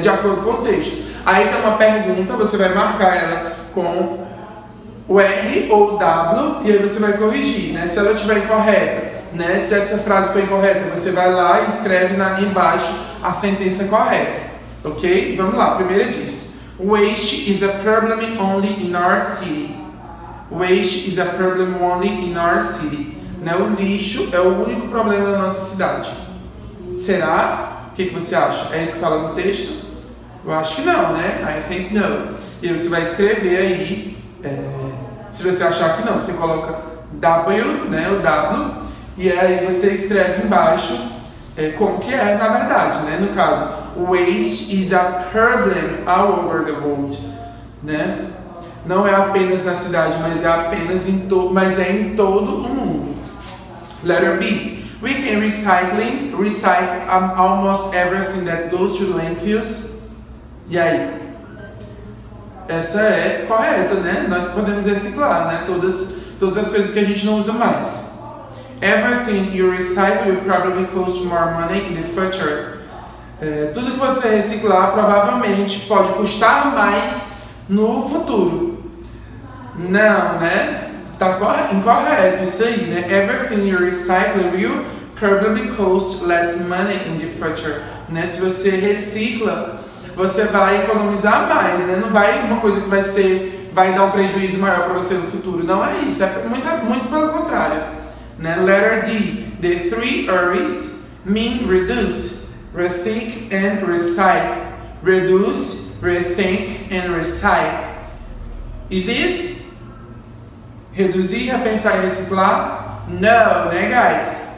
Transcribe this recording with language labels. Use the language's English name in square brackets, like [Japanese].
[Portuguese] De acordo com o texto. Aí tem uma pergunta, você vai marcar ela com o R ou o W e aí você vai corrigir, né? Se ela estiver incorreta, né? Se essa frase foi incorreta, você vai lá e escreve embaixo a sentença correta, ok? Vamos lá, a primeira diz: [English] waste is a problem only in our city. Waste is a problem only in our city. [Portuguese] Né? O lixo é o único problema da nossa cidade. Será? O que você acha? É isso que fala no texto? Eu acho que não, né? [English] I think no. [Portuguese] E você vai escrever aí, se você achar que não, você coloca W, né? O W. E aí você escreve embaixo como que é na verdade, né? [English] No caso, waste is a problem all over the world, né? [Portuguese] Não é apenas na cidade, mas é apenas em todo o mundo. [English] Letter B. We can recycle almost everything that goes to landfills. [Portuguese] E aí? Essa é correta, né? Nós podemos reciclar, né? Todas as coisas que a gente não usa mais. [English] Everything you recycle will probably cost more money in the future. [Portuguese] Tudo que você reciclar provavelmente pode custar mais no futuro. Não, né? Tá incorreto isso aí, né? [English] Everything you recycle will probably cost less money in the future. [Portuguese] Né? Se você recicla, você vai economizar mais, né? Não vai uma coisa que vai dar um prejuízo maior para você no futuro. Não é isso, é muito, muito pelo contrário. Né? Letter D. [English] The three R's mean reduce, rethink and recycle. Reduce, rethink and recycle. Is this? [Portuguese] Reduzir, repensar e reciclar? No, né, guys?